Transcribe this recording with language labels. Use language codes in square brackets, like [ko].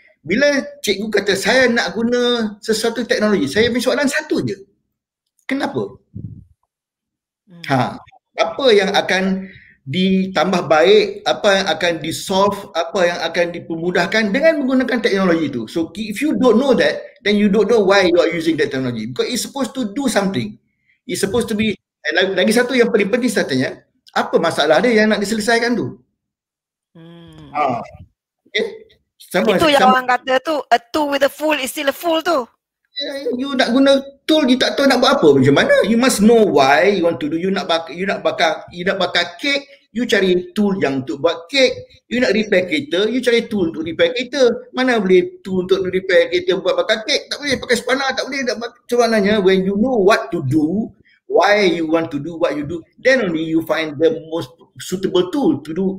[ms] Bila cikgu kata saya nak guna sesuatu teknologi, saya punya soalan satu je. Kenapa? apa yang akan ditambah baik, apa yang akan di solve, apa yang akan dipermudahkan dengan menggunakan teknologi itu. [en] So if you don't know that, then you don't know why you are using that technology, because it's supposed to do something. It's supposed to be, [ms] lagi satu yang paling penting saya tanya, apa masalah dia yang nak diselesaikan tu? Itu yang orang kata tu, [en] a tool with a fool is still a fool tu. [ms] You nak guna tool, you tak tahu nak buat apa, macam mana? [en] You must know why you want to do. [ms] You nak bakar cake, you cari tool yang untuk buat cake. You nak repair kereta, you cari tool untuk repair kereta. Mana boleh tool untuk repair kereta buat bakar cake? Tak boleh, pakai spanner tak boleh. Macam mananya, [en] when you know what to do, why you want to do what you do, then only you find the most suitable tool to do.